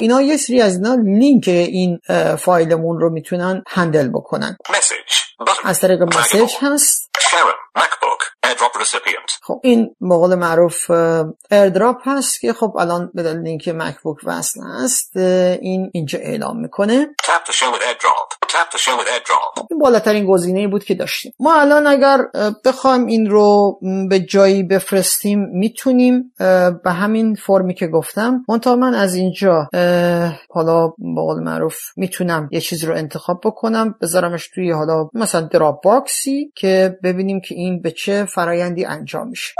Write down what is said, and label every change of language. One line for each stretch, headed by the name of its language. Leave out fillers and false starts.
Persian: اینا یه سری از اینا لینک این فایلمون رو میتونن هندل بکنن.
English: Message button.
Persian: از طریق مسیج هست.
English: Sharon MacBook AirDrop recipient.
Persian: خب این به قول معروف AirDrop هست که خب الان به دلیل اینکه MacBook وصل است این اینجا اعلام میکنه.
English: Tap to show with AirDrop. Tap to show with AirDrop.
Persian: خب این بالاترین گزینه بود که داشتیم. ما الان اگر بخوایم این رو به جایی بفرستیم میتونیم به همین فرمی که گفتم. منتها من از اینجا حالا به قول معروف میتونم یه چیز رو انتخاب بکنم بذارمش توی حالا مثلا دراپ باکسی که ببینیم که این به چه فرایندی انجام میشه.